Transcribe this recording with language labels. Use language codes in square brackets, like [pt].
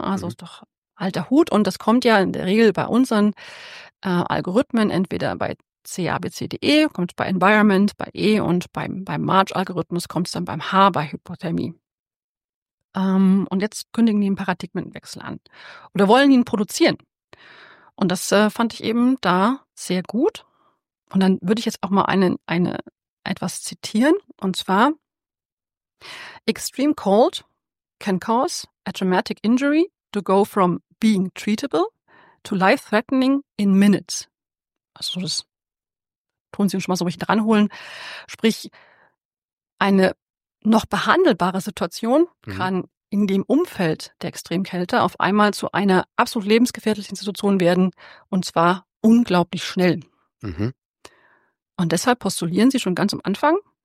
[de] Also ist doch alter Hut und das kommt ja in der Regel bei unseren Algorithmen, entweder bei CABCDE, kommt bei Environment, bei E und beim March-Algorithmus kommt es dann beim H bei Hypothermie. Und jetzt kündigen die einen Paradigmenwechsel an oder wollen ihn produzieren. Und das fand ich eben da sehr gut. Und dann würde ich jetzt auch mal etwas zitieren. Und zwar, [en] extreme cold can cause a traumatic injury to go from being treatable to life-threatening in minutes. [de] Also das tun Sie uns schon mal so ein bisschen dranholen. Sprich, eine noch behandelbare Situation kann in dem Umfeld der Extremkälte auf einmal zu einer absolut lebensgefährlichen Situation werden, und zwar unglaublich schnell. Und deshalb postulieren Sie schon ganz am Anfang,